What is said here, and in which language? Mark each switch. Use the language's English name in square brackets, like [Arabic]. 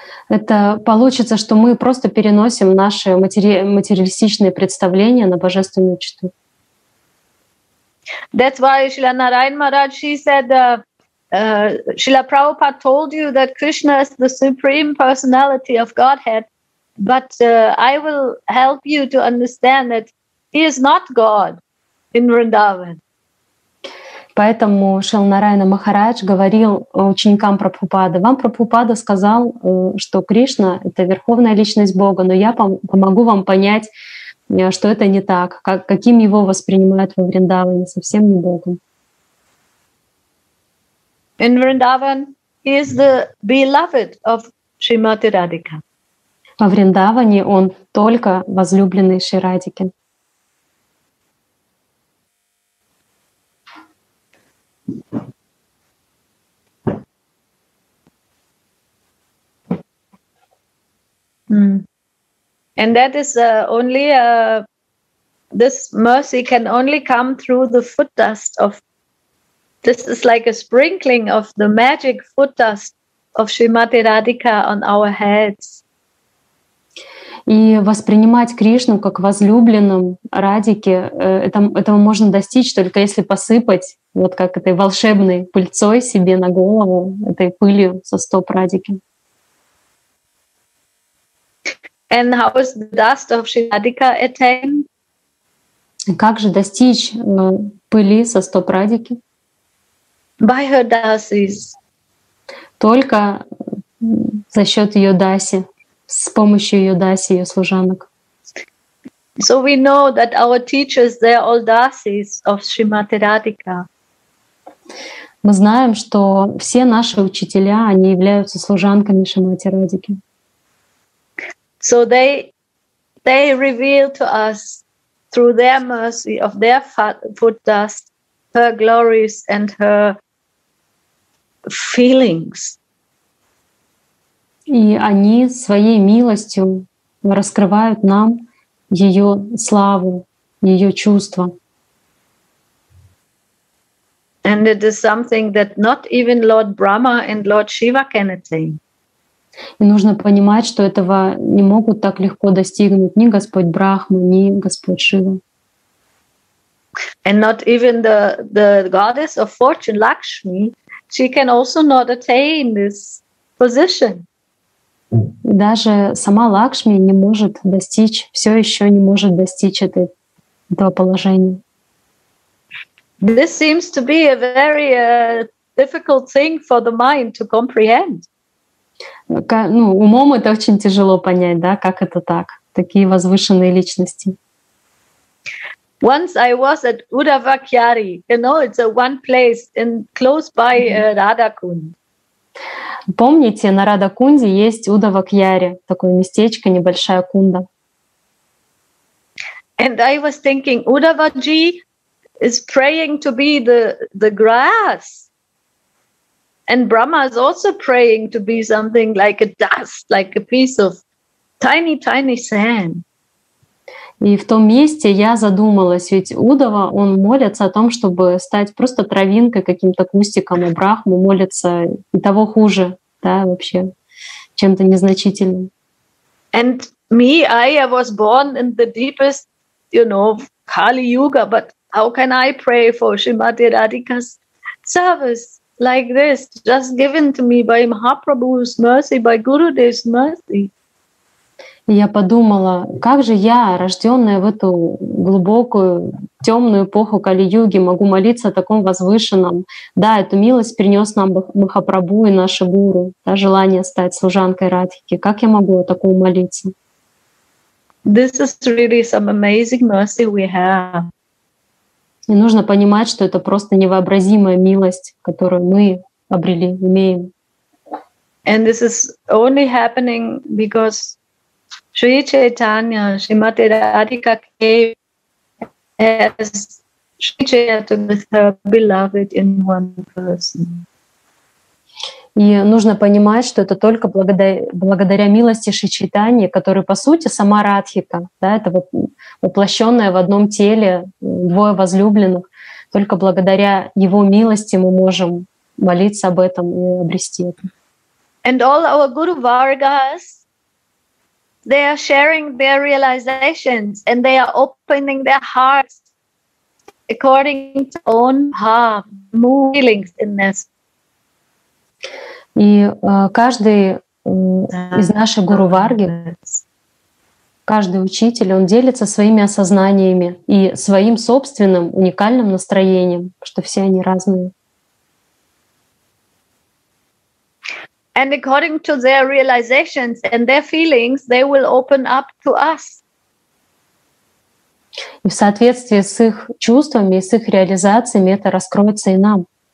[Russian] Это получится, что мы просто переносим наши материалистичные представления на божественную чету. [English] That's why Srila Narayan Maharaj, she said, Srila Prabhupada told you that Krishna is the supreme personality of Godhead, but I will help you to understand that he is not God in Vrindavan. [Russian] Поэтому Шрила Нараяна Махарадж говорил ученикам Прабхупады: «Вам Прабхупада сказал, что Кришна — это верховная личность Бога, но я помогу вам понять, что это не так, каким его воспринимают во Вриндаване, совсем не Богом». [English] In Vrindavan, he is the beloved of Shrimati Radhika. [Russian] Во Вриндаване он только возлюбленный Шри Радхики. [English] Thank you. And that is only this mercy can only come through the foot dust of. This is like a sprinkling of the magic foot dust of Shrimati Radhika on our heads. [Russian] И воспринимать Кришну как возлюбленным Радики, этого можно достичь только если посыпать вот как этой волшебной пыльцой себе на голову, этой пылью со стоп Радики. [English] And how is the dust of Shri Radhika attained? [Russian] Как же достичь пыли со стоп Радики? [English] By her dasis. [Russian] Только за счет ее даси. С помощью ее даси, ее служанок. [English] So we know that our teachers, they are all dasis of Shrimati Radhika. [Russian] Мы знаем, что все наши учителя, они являются служанками Шримати Радики. [English] So they reveal to us through their mercy of their foot dust, her glories and her feelings. [Russian] И они своей милостью раскрывают нам ее славу, ее чувства. [English] And it is something that not even Lord Brahma and Lord Shiva can attain. [Russian] И нужно понимать, что этого не могут так легко достигнуть ни Господь Брахма, ни Господь Шива. [English] And not even the goddess of fortune, Lakshmi, she can also not attain this position. [Russian] Даже сама Лакшми не может достичь, все еще не может достичь этого положения. [English] This seems to be a very difficult thing for the mind to comprehend. [Russian] Ну, умом это очень тяжело понять, да, как это так, такие возвышенные личности. [English] Once I was at Udavakyari, you know, it's a one place in close by Radhakund. [Russian] Помните, на Радакунде есть Удавакьяри, такое местечко, небольшая кунда. [English] And I was thinking, Удаваджи is praying to be the grass. And Brahma is also praying to be something like a dust, like a piece of tiny, tiny sand. [Russian] И в том месте я задумалась, ведь Удава, он молится о том, чтобы стать просто травинкой, каким-то кустиком, и Брахма молится и того хуже, да, вообще, чем-то незначительным. [English] And me, I was born in the deepest, you know, Kali-Yuga, but how can I pray for Shrimati Radhika's service like this, just given to me by Mahaprabhu's mercy, by Gurudev's mercy? [Russian] Я подумала, как же я, рождённая в эту глубокую, тёмную эпоху Кали-Юги, могу молиться о таком возвышенном? Да, эту милость принёс нам Махапрабху и наши гуру, да, желание стать служанкой Радхики. Как я могу о таком молиться? [English] This is really some amazing mercy we have. [Russian] И нужно понимать, что это просто невообразимая милость, которую мы обрели, имеем. [English] And this is only happening because Shri Chaitanya, Shrimati Radhika came as Shri Chaitanya with her beloved in one person. [Russian] И нужно понимать, что это только благодаря милости Шри Чайтаньи, которая, по сути, сама Радхика, да, это вот воплощенная в одном теле двое возлюбленных, только благодаря его милости мы можем молиться об этом и обрести это. [English] And all our Guru Vargas, they are sharing their realizations and they are opening their hearts according to own heart, feelings in this. [Russian] И каждый из наших гуру варги, каждый учитель, он делится своими осознаниями и своим собственным уникальным настроением, что все они разные. [English] And according to their realizations and their feelings, they will open up to us. [Russian] И в соответствии с их чувствами и с их реализациями это раскроется и нам.